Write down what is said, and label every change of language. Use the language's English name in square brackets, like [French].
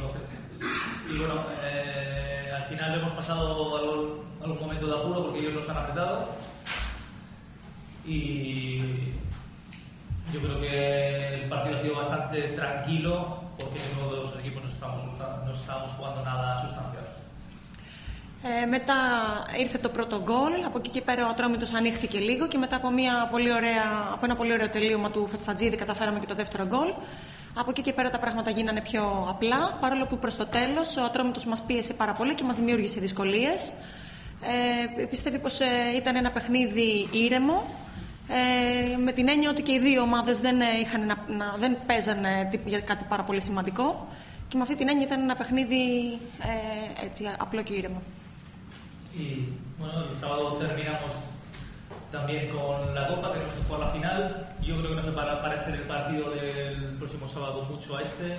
[Spanish] ¿No? Y bueno, al final hemos pasado algún momento de apuro porque ellos nos han apretado. Y yo creo que el partido ha sido bastante tranquilo porque ninguno de los equipos no estábamos jugando nada sustancial. [Greek] Μετά ήρθε το πρώτο γκολ, από εκεί και πέρα ο Ατρόμητος ανοίχτηκε λίγο και μετά από ένα πολύ ωραίο τελείωμα του Φετφατζίδη καταφέραμε και το δεύτερο γκολ. Από εκεί και πέρα τα πράγματα γίνανε πιο απλά, παρόλο που προς το τέλος ο Ατρόμητος μας πίεσε πάρα πολύ και μας δημιούργησε δυσκολίες. Πιστεύει πως ήταν ένα παιχνίδι ήρεμο, με την έννοια ότι και οι δύο ομάδες δεν παίζανε για κάτι πάρα πολύ σημαντικό. Και με αυτή την έννοια ήταν ένα παιχνίδι έτσι, απλό και ήρεμο. [Spanish] Y bueno, el sábado terminamos también con la Copa, tenemos que jugar la final. Yo creo que no se va a parecer el partido del próximo sábado mucho a este.